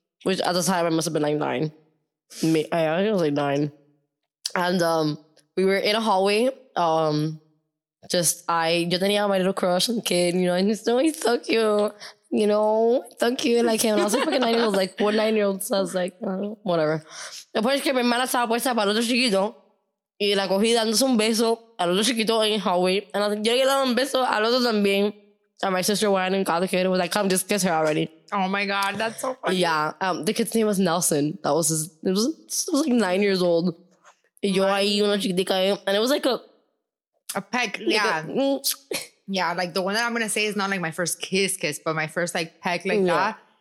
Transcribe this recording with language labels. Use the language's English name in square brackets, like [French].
[English] Which at the time I must have been like 9. I think I was like 9. And we were in a hallway. [Spanish] Yo tenía [English] my little crush on the kid, you know, and he's doing so cute, you know, so cute. Like him. And I was like, fucking 9 years old, like, what 9 year old? So I was like, whatever. The point is [Spanish] que mi hermana estaba puesta para el otro chiquito y la cogí dándose un beso al otro chiquito en el hallway. [English] And I was like, [Spanish] yo le daba un beso al otro también. [English] And my sister went and got the kid and was like, come, just kiss her already. Oh my God, that's so funny. Yeah. The kid's name was Nelson. That was his, it was like 9 years old. [Spanish] Yo ahí una chiquitica, [English] and it was like a peck, yeah, like the one that I'm gonna say is not like my first kiss, but my first like peck like that.